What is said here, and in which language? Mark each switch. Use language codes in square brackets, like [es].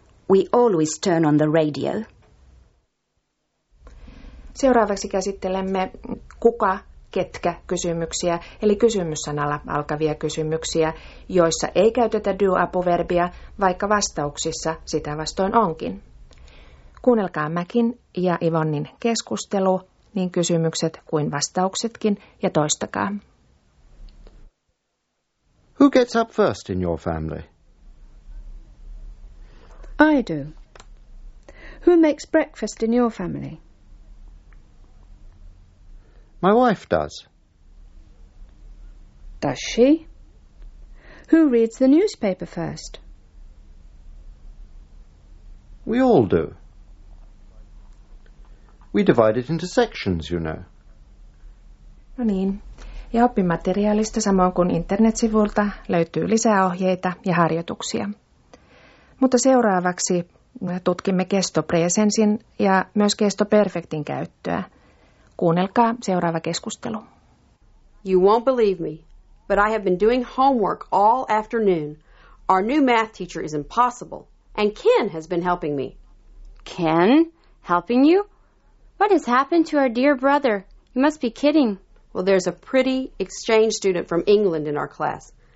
[en] We always turn on the radio. [fi] Seuraavaksi käsittelemme kuka, ketkä kysymyksiä, eli kysymyssanalla alkavia kysymyksiä, joissa ei käytetä do-apuverbia, vaikka vastauksissa sitä vastoin onkin. Kuunnelkaa Mäkin ja Yvonnin keskustelu, niin kysymykset kuin vastauksetkin, ja toistakaa. [en] Who gets up first in your family? I do. Who makes breakfast in your family? My wife does. Does she? Who reads the newspaper first? We all do. We divide it into sections, you know. [fi] No niin. Ja oppimateriaalista samoin kuin internetsivulta löytyy lisää ohjeita ja harjoituksia. Mutta seuraavaksi tutkimme kestopresensin ja myös kestoperfektin käyttöä. Kuunnelkaa seuraava keskustelu. [en] You won't believe me, but I have been doing homework all afternoon. Our new math teacher is impossible, and Ken has been helping me. Ken? Helping you? What has happened to our dear brother? You must be kidding. Well, there's a pretty exchange student from England in our class.